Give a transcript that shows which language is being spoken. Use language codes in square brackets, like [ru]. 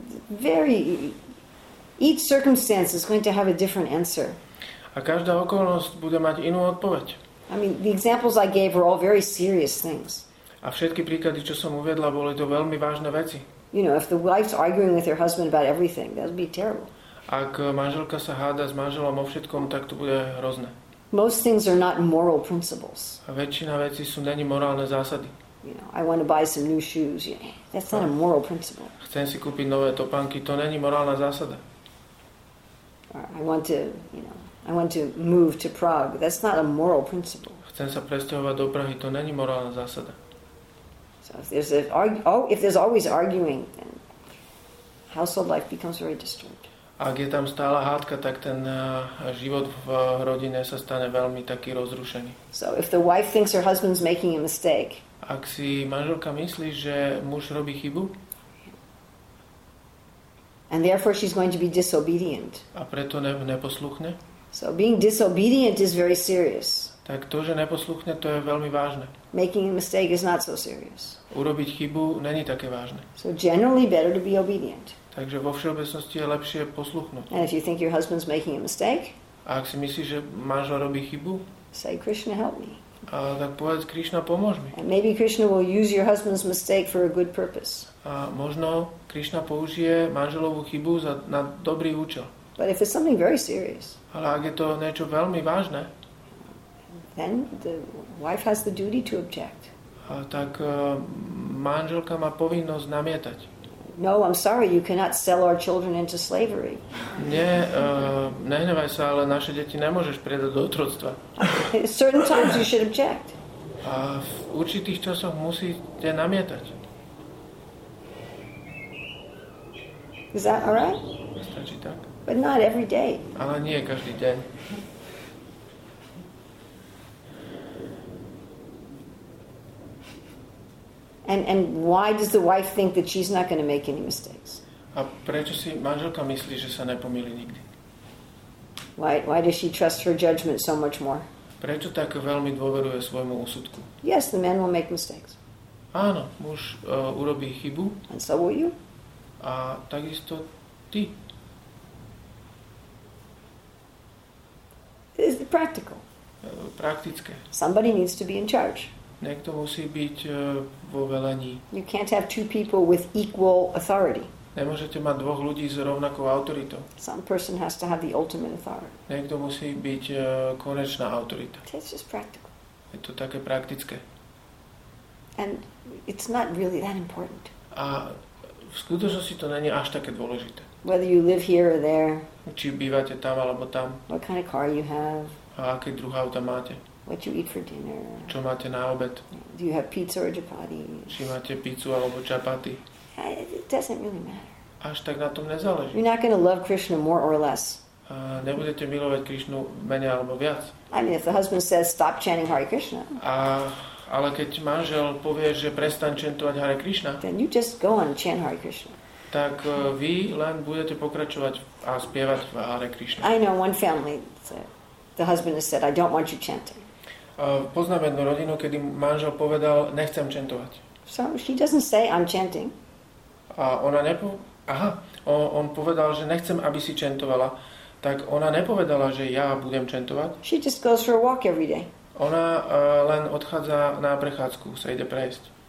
[en] Very each circumstance is going to have a different answer. [sk] A každá okolnosť bude mať inú odpoveď. [en] I mean, the examples I gave were all very serious things. [sk] A všetky príklady, čo som uviedla, boli to veľmi vážne veci. [en] You know, if the wife's arguing with her husband about everything, that would be terrible. [sk] Ak manželka sa háda s manželom o všetkom, tak to bude hrozné. [en] Most things are not moral principles. [sk] A väčšina vecí sú neni morálne zásady. [en] You know, I want to buy some new shoes. You know, that's not a moral principle. [sk] Chcem si kúpiť nové topánky, to neni morálna zásada. [en] I want to move to Prague. That's not a moral principle. [sk] Chcem sa presťahovať do Prahy, to neni morálna zásada. [en] So if there's always arguing, then household life becomes very disturbed. [sk] Ak je tam stála hádka, tak ten život v rodine sa stane veľmi taký rozrušený. [en] So if the wife thinks her husband's making a mistake. [sk] Ak si manželka myslí, že muž robí chybu. [en] And therefore she's going to be disobedient. [sk] A preto neposluchne. [en] So being disobedient is very serious. [sk] Tak to, že neposluchne, to je veľmi vážne. [en] Making a mistake is not so serious. [sk] Urobiť chybu není také vážne. [en] So generally better to be obedient. [sk] Takže vo všeobecnosti je lepšie posluchnúť. [en] And if you think your husband's making a mistake, [sk] a ak si myslíš, že manžel robí chybu, [en] say Krishna help me. [sk] A tak povedz Krishna pomôž mi. [en] And maybe Krishna will use your husband's mistake for a good purpose. [sk] A možno Krishna použije manželovú chybu na dobrý účel. [en] But if it's something very serious. [sk] Ale ak je to niečo veľmi vážne, [en] then the wife has the duty to object. [sk] Tak manželka má povinnosť namietať. [en] No, I'm sorry, you cannot sell our children into slavery. [sk] Nie, nehnevaj sa, ale naše deti nemôžeš predať do otroctva. [en] Certain times you should object. [sk] A v určitých časoch musíte namietať. [en] Is that all right? [sk] Stačí tak. [en] But not every day. [sk] Ale nie každý deň. [en] And why does the wife think that she's not going to make any mistakes? [sk] A prečo si manželka myslí, že sa nepomýli nikdy? [en] Why does she trust her judgment so much more? [sk] Prečo tak veľmi dôveruje svojmu úsudku? [en] Yes, the man will make mistakes. [sk] Áno, muž urobí chybu. [en] And so will you. [sk] A takisto ty. [en] It's practical. [sk] Praktické. [en] Somebody needs to be in charge. [sk] Niekto musí byť vo velení. [en] You can't have two people with equal authority. [sk] Nemôžete mať dvoch ľudí s rovnakou autoritou. [en] Some person has to have the ultimate authority. [sk] Niekto musí byť konečná autorita. [en] It's just practical. [sk] Je to také praktické. [en] And it's not really that important. [sk] A v skutočnosti to není až také dôležité. [en] Whether you live here or there. [sk] Či bývate tam alebo tam. [en] What kind of car you have. [sk] A aké druhé auto máte. [en] What you eat for dinner. [sk] Čo máte na obed. [en] Do you have pizza or chapati. [sk] Či máte pizzu alebo čapaty. [en] It doesn't really matter. [sk] Až tak na tom nezáleží. [en] You're not going to love Krishna more or less. [sk] Nebudete milovať Krishnu menej alebo viac. [en] I mean, if the husband says stop chanting Hare Krishna. [sk] Ale keď manžel povie, že prestaň chantovať Hare Krishna. [en] Then you just go on and chant Hare Krishna. [sk] Tak vy len budete pokračovať a spievať v Hare Krishna. [en] I know one family the husband has said I don't want you chanting. [sk] Poznám jednu rodinu, kedy manžel povedal nechcem chantovať. [en] So she doesn't say I'm chanting. [sk] A ona on povedal, že nechcem, aby si chantovala. Tak ona nepovedala, že ja budem chantovať. [en] She just goes for a walk every day. [sk] Ona len odchádza na prechádzku, sa ide prejsť.